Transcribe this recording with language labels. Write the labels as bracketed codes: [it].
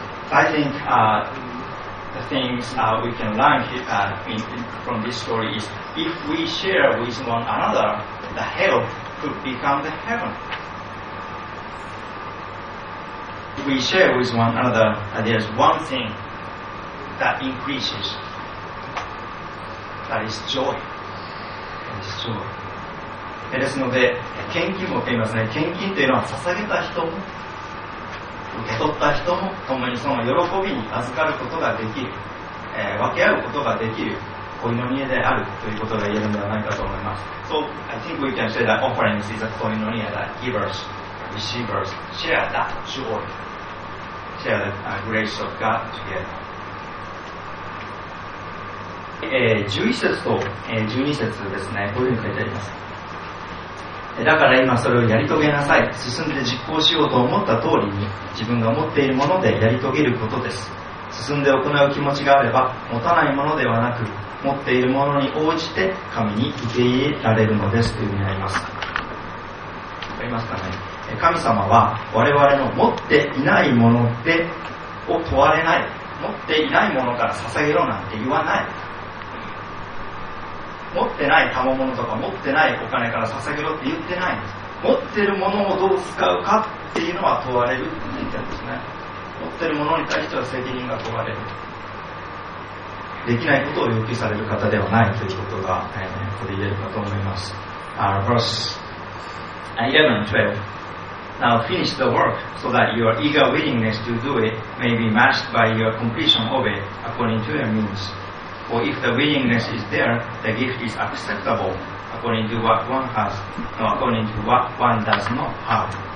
[en] I think the things we can learn from this story is, if we share with one another, the hell could become the heaven. If we share with one another, there's one thing that increases, that is joy. That is joy. [ja] ですので、献金も言いますね。献金というのは捧げた人も受け取った人も共にその喜びに預かることができる、分け合うことができる、koinonia であるということが言えるのではないかと思います。 So I think we can say that offerings is a koinonia that givers, receivers share that joy, share the grace of God together. 11節と12節ですね、こういうふうに書いてあります。だから今それをやり遂げなさい。進んで実行しようと思った通りに、自分が持っているものでやり遂げることです。進んで行う気持ちがあれば、持たないものではなく、持っているものに応じて神に受け入れられるのですというふうになります。わかりますかね？神様は我々の持っていないもので、を問われない。持っていないものから捧げろなんて言わない。持ってない賜物とか持ってないお金から捧げろって言ってないんです。持ってるものをどう使うかっていうのは問われるって言ってるんですね。持ってるものに対しては責任が問われる。できないことを要求される方ではないということが、ここで言えるかと思います。 [en] Verse 11-12 Now finish the work so that your eager willingness to do it may be matched by your completion of it according to your means. For if the willingness is there, the gift is acceptable according to what one has, not according to what one does not have.